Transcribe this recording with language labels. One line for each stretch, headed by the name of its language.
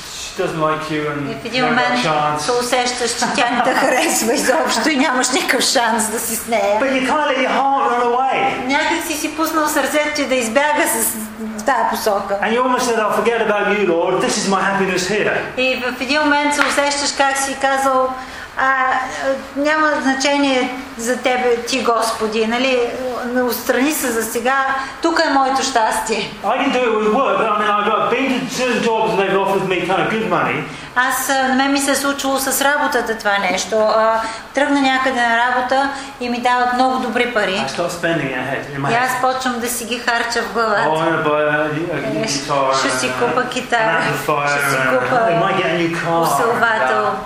English: Doesn't like you and if you have a chance.
Bulgarian: Се усещаш, че тя не те харесва изобщо и нямаш никакъв шанс да си с нея.
English: But you can't let your heart run away.
Bulgarian: Някак си пуснал сърцето ти да избяга с тая посока.
English: And you almost said, I'll forget about you, Lord. This is my happiness here.
Bulgarian: И в един момент се усещаш как си казал, няма значение за тебе ти, Господи, нали? Отстрани се за сега, тук е моето щастие.
English: I can do it with work, but I mean, I've got been to certain jobs and they've offered me kind of good money.
Bulgarian: Аз на мен ми се е случило с работата това нещо. Тръгна някъде на работа и ми дават много добри пари. И аз почвам да си ги харча в главата. Oh, ще си купа китара. Ще си купа усилвател.